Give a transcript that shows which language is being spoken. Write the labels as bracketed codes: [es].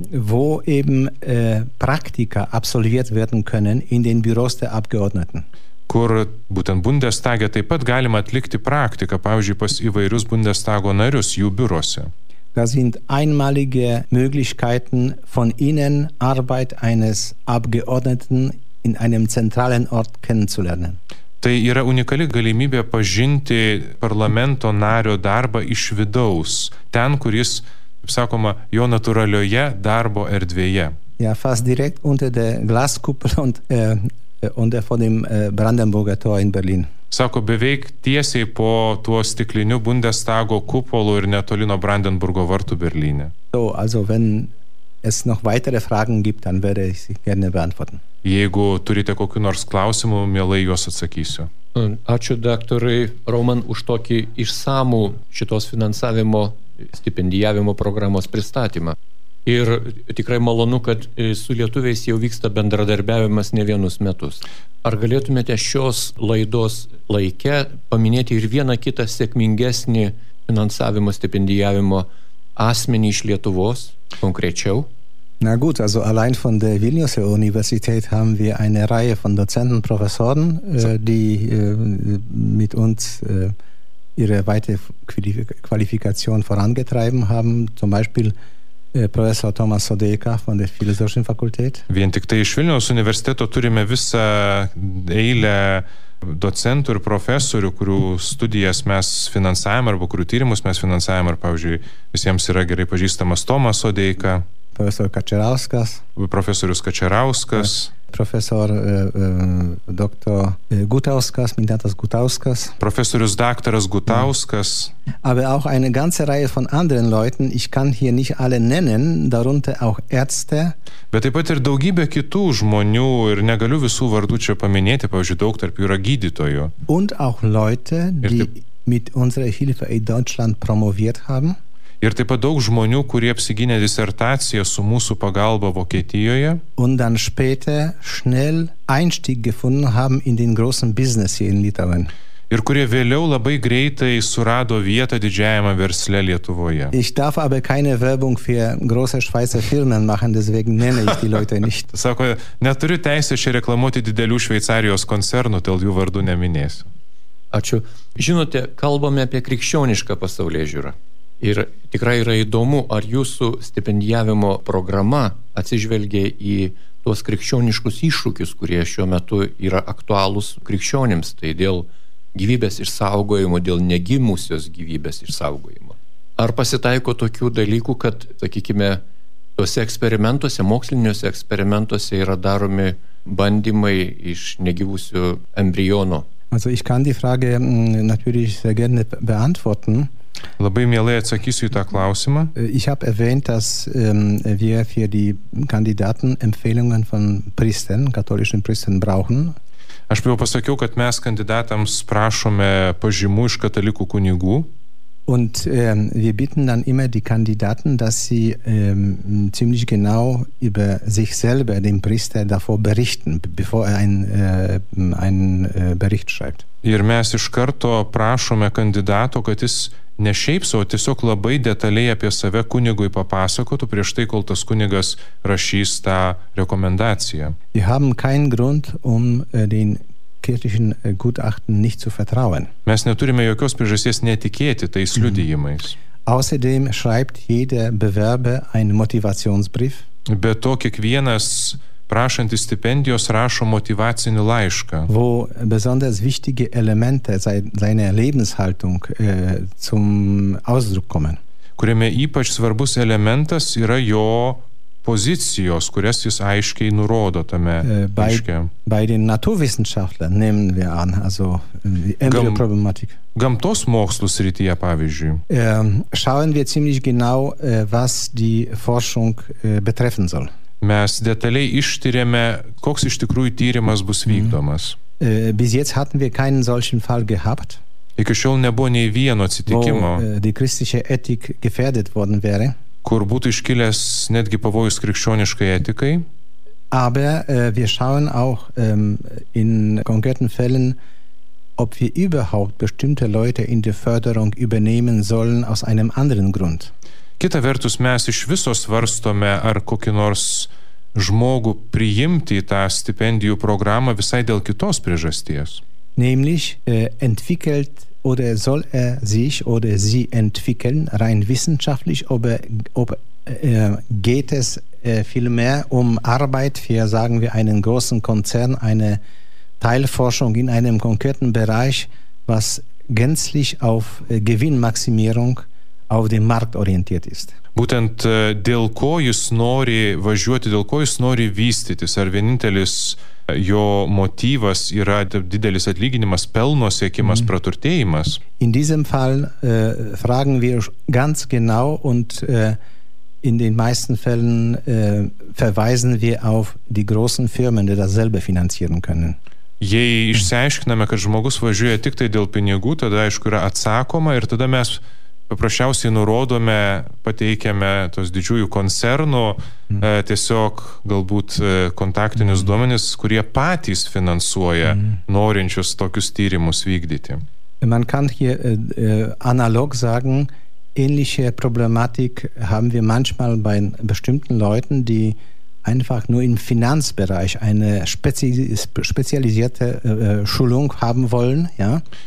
[de] Wo eben Praktika absolviert werden können in den Büros der Abgeordneten. [lt] Kur būtent Bundestage taip pat galima atlikti praktiką, pavyzdžiui, pas įvairius Bundestago narius jų biurose. [de] Das sind einmalige Möglichkeiten von Ihnen Arbeit eines Abgeordneten in einem zentralen Ort kennenzulernen. [lt] Tai yra unikali galimybė pažinti parlamento nario darbą iš vidaus, ten, kuris, sakoma, jo natūralioje darbo erdvėje. [de] Ja, fast direkt unter der Glaskuppel und unter von dem Brandenburger Tor in Berlin. [lt] Sako, beveik tiesiai po tuo stikliniu Bundestago kupolu ir netolino Brandenburgo vartų Berlyne. [de] So, also wenn es noch weitere Fragen gibt, dann werde ich sie gerne beantworten. [lt] Jeigu turite kokių nors klausimų, mielai juos atsakysiu. Ačiū daktorai Roman už tokį išsamų šitos finansavimo stipendijavimo programos pristatymą. Ir tikrai malonu, kad su lietuviais jau vyksta bendradarbiavimas ne vienus metus. Ar galėtumėte šios laidos laike paminėti ir vieną kitą sėkmingesnį finansavimo stipendijavimo asmenį iš Lietuvos konkrečiau? [de] Na gut, also allein von der Vilnius Universität haben wir eine Reihe von Dozenten, Professoren, die mit uns ihre weitere Qualifikation vorangetrieben haben, zum Beispiel Professor Thomas Sodeika von der Philosophischen Fakultät. [lt] Vien tik tai iš Vilniaus universiteto turime visą eilę docentų ir profesorių, kurių studijas mes finansavome arba kurių tyrimus mes finansavome, ir pavyzdžiui, visiems yra gerai pažįstamas Thomas Sodeika. [de] Profesor Kačerauskas. [lt] Profesorius Kačerauskas. [de] Profesor doktor Gutauskas, Mintatas Gutauskas. [lt] Profesorius daktaras Gutauskas. [de] Aber auch eine ganze Reihe von anderen Leuten, ich kann hier nicht alle nennen, darunter auch Ärzte. [lt] Bet taip pat ir daugybė kitų žmonių, ir negaliu visų vardų čia paminėti, pavyzdžiui, daug tarp jų yra gydytojų. [de] Und auch Leute, die mit unserer Hilfe in Deutschland promoviert haben. [lt] Ir taip pat daug žmonių, kurie apsigynė disertaciją su mūsų pagalba Vokietijoje. [de] Und dann später schnell Einstieg gefunden haben in den großen Business hier in Litauen. [lt] Ir kurie vėliau labai greitai surado vietą didžiajame versle Lietuvoje. [de] Ich darf aber keine Werbung für große Schweizer Firmen machen, deswegen nenne ich die Leute nicht. [lt] Sako, neturiu teisę čia reklamuoti didelių Šveicarijos koncernų, dėl jų vardų neminėsiu. Ačiū. Žinote, kalbame apie krikščionišką pasaulėžiūrą. Ir tikrai yra įdomu, ar jūsų stipendijavimo programa atsižvelgia į tuos krikščioniškus iššūkius, kurie šiuo metu yra aktualūs krikščionims, tai dėl gyvybės išsaugojimo, dėl negimusios gyvybės išsaugojimo. Ar pasitaiko tokių dalykų, kad, sakykime, tuose eksperimentuose, moksliniuose eksperimentuose yra daromi bandymai iš negyvusių embriono? [de] Also ich kann die Frage natürlich sehr gerne beantworten. [lt] Labai mielai atsakysiu į tą klausimą. [de] Ich habe erwähnt, dass wir für die Kandidaten Empfehlungen von Priestern, katholischen Priestern brauchen. [lt] Aš jau pasakiau, kad mes kandidatams prašome pažymų iš katalikų kunigų. [de] Und wir bitten dann immer die Kandidaten, dass sie ziemlich genau über sich selber den Priester davor berichten, bevor er einen Bericht schreibt. [lt] Ir mes iš karto prašome kandidato, kad jis ne šiaip savo, tiesiog labai detaliai apie save kunigui papasakotų prieš tai, kol tas kunigas rašys tą rekomendaciją. [de] Wir haben keinen Grund, den kirchlichen Gutachten nicht zu vertrauen. [lt] Mes neturime jokios priežasties netikėti tais liudijimais. [de] Außerdem schreibt jeder Bewerber einen Motivationsbrief. [lt] Be to, kiekvienas prašantis stipendijos rašo motivacinį laišką. [de] Wo besonders wichtige Elemente seiner Lebenshaltung zum Ausdruck kommen. [lt] Kuriame ypač svarbus elementas yra jo pozicijos, kurias jis aiškiai nurodo tame laiške. [de] Bei den Naturwissenschaftlern nehmen wir an, also die Embryo-Problematik. [lt] Gamtos mokslų srityje, pavyzdžiui. [de] Schauen wir ziemlich genau, was die Forschung betreffen soll. [lt] Mes detaliai ištyrėme, koks iš tikrųjų tyrimas bus vykdomas. [de] Bis jetzt hatten wir keinen solchen Fall gehabt. [lt] Iki šiol nebuvo nei vieno atsitikimo. [de] Die christliche Ethik gefährdet worden wäre. [lt] Kur būtų iškilęs netgi pavojus krikščioniškai etikai. [de] Aber wir schauen auch in konkreten Fällen, ob wir überhaupt bestimmte Leute in die Förderung übernehmen sollen aus einem anderen Grund. [lt] Kita vertus, mes iš viso svarstome, ar kokį nors žmogų priimti į tą stipendijų programą visai dėl kitos priežasties. [de] Nämlich entwickelt oder soll er sich oder sie entwickeln rein wissenschaftlich, geht es vielmehr Arbeit für, sagen wir, einen großen Konzern, eine Teilforschung in einem konkreten Bereich, was gänzlich auf Gewinnmaximierung auf dem Markt orientiert ist. [lt] Būtent dėl ko jis nori važiuoti, dėl ko jis nori vystytis, ar vienintelis jo motyvas yra didelis atlyginimas, pelno siekimas, praturtėjimas. [de] In diesem Fall fragen wir ganz genau und in den meisten Fällen verweisen wir auf die großen Firmen, die dasselbe finanzieren können. [lt] Jei išsiaiškiname, kad žmogus važiuoja tik tai dėl pinigų, tada aišku yra atsakoma ir tada mes paprasčiausiai nurodome, pateikiame tos didžiųjų koncernų, tiesiog galbūt kontaktinius duomenis, kurie patys finansuoja norinčius tokius tyrimus vykdyti. [de] Man kann hier analog sagen, ähnliche Problematik haben wir manchmal bei bestimmten Leuten, die einfach nur im Finanzbereich eine spezialisierte Schulung haben wollen, ja.